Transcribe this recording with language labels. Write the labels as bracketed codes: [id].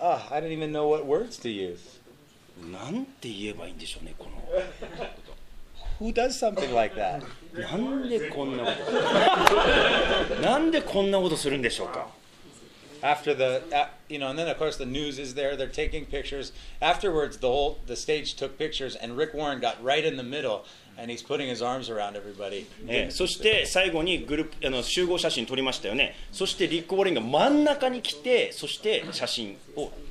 [en] I didn't even know what words to use. [ja] なんて言えばいいんでしょうね、この。 [en] Who does something like that? [ja] なんでこんなこと。なんでこんなことするんでしょうか。 [en] After the, you know, and then of course the news is there, they're taking pictures. Afterwards, the stage took pictures and Rick Warren got right in the middle and he's putting his arms around everybody. [ja] そして最後にグループ、集合写真撮りましたよね。そしてリック・ウォーレンが真ん中に来て、そして写真を。